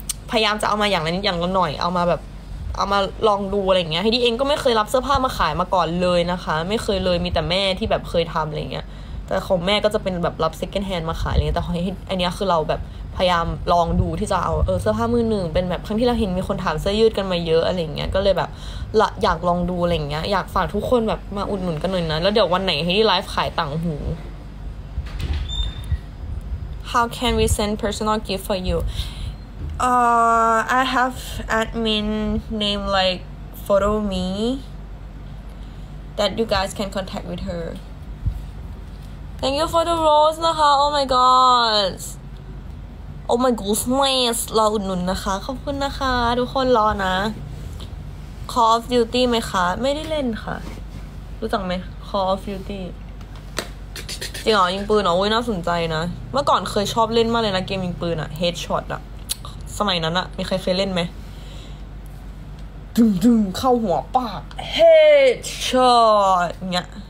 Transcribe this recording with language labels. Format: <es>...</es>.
<th>พยายามจะเอามาอย่างนิดอย่างละหน่อยเอามาแบบเอามาลองดูอะไรเงี้ยให้ดีเองก็ไม่เคยรับเสื้อผ้ามาขายมาก่อนเลยนะคะไม่เคยเลยมีแต่แม่ที่แบบเคยทำอะไรเงี้ยแต่ของแม่ก็จะเป็นแบบรับ second hand มาขายอะไรเงี้ยแต่ของไอ้เนี้ยคือเราแบบพยายามลองดูที่จะเอาเสื้อผ้ามือหนึ่งเป็นแบบครั้งที่เราเห็นมีคนถามเสื้อยืดกันมาเยอะอะไรเงี้ยก็เลยแบบอยากลองดูอะไรเงี้ยอยากฝากทุกคนแบบมาอุดหนุนกันหน่อยนะแล้วเดี๋ยววันไหนให้ดีไลฟ์ขายต่างหู</th> <en>How can we send personal gift for you? I have admin name like photo me that you guys can contact with her. Thank you for the rose</en> <th>นะคะ</th> <en>Oh my god Oh my goodness</en> <th>รออุดหนุนนะคะขอบคุณนะคะทุกคนรอนะ Call of Duty ไหมคะไม่ได้เล่นค่ะรู้จักไหม Call of Duty จริงเหรอยิงปืนเหรออุ้ยน่าสนใจนะเมื่อก่อนเคยชอบเล่นมากเลยนะเกมยิงปืนอะ Headshot อะสมัยนั้นอะมีใครเคยเล่นไหมดึงดึงเข้าหัวปากเฮ้ยชอตเงี้ย</th>